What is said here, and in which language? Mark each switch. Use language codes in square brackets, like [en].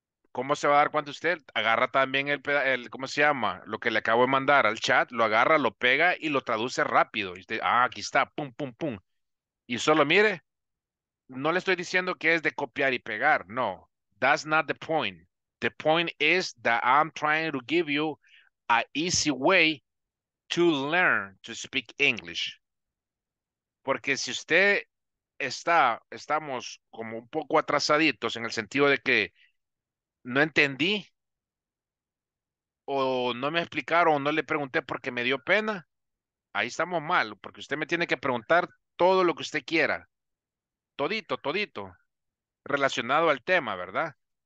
[es] ¿Cómo se va a dar cuenta usted? Agarra también el ¿cómo se llama? Lo que le acabo de mandar al chat, lo agarra, lo pega y lo traduce rápido. Y usted, aquí está, pum, pum, pum. Y solo mire, no le estoy diciendo que es de copiar y pegar, no. [en] That's not the point. The point is that I'm trying to give you an easy way to learn to speak English. [es] Porque si usted estamos como un poco atrasaditos en el sentido de que no entendí, o no me explicaron, o no le pregunté porque me dio pena, ahí estamos mal, porque usted me tiene que preguntar todo lo que usted quiera, todito, relacionado al tema, ¿verdad?